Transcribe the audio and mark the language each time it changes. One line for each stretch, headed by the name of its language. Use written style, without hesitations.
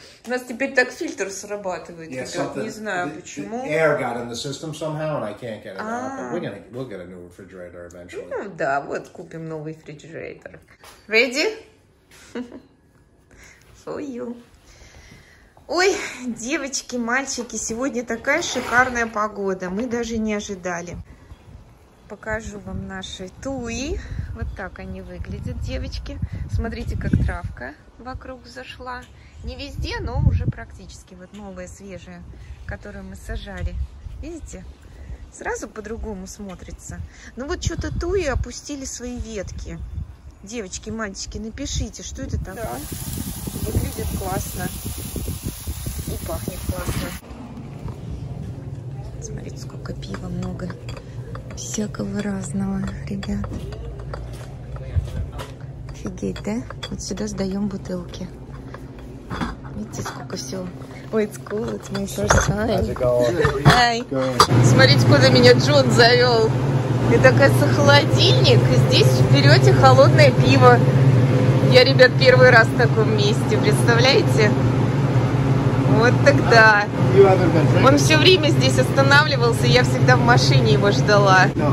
Russian: У нас теперь так фильтр срабатывает. Не знаю, почему.
English: Air got in the system somehow, and I can't get it out. But we'll get a new refrigerator eventually.
Russian: Ну да, вот купим новый фриджерейтор.
English: Ready? For you.
Russian: Ой, девочки, мальчики, сегодня такая шикарная погода. Мы даже не ожидали. Покажу вам наши туи. Вот так они выглядят, девочки. Смотрите, как травка вокруг зашла. Не везде, но уже практически. Вот новая, свежая, которую мы сажали. Видите? Сразу по-другому смотрится. Ну вот что-то туи опустили свои ветки. Девочки, мальчики, напишите, что это такое. Да. Выглядит классно. И пахнет классно. Смотрите, сколько пива много. Всякого разного, ребят. Офигеть, да? Вот сюда сдаем бутылки. Видите, сколько всего.
English: Ой, it's cool, it's my first time. Hi.
Russian: Смотрите, куда меня Джон завел. Это, оказывается, холодильник. Здесь берете холодное пиво. Я, ребят, первый раз в таком месте, представляете? Вот тогда. Он все время здесь останавливался, и я всегда в машине его ждала.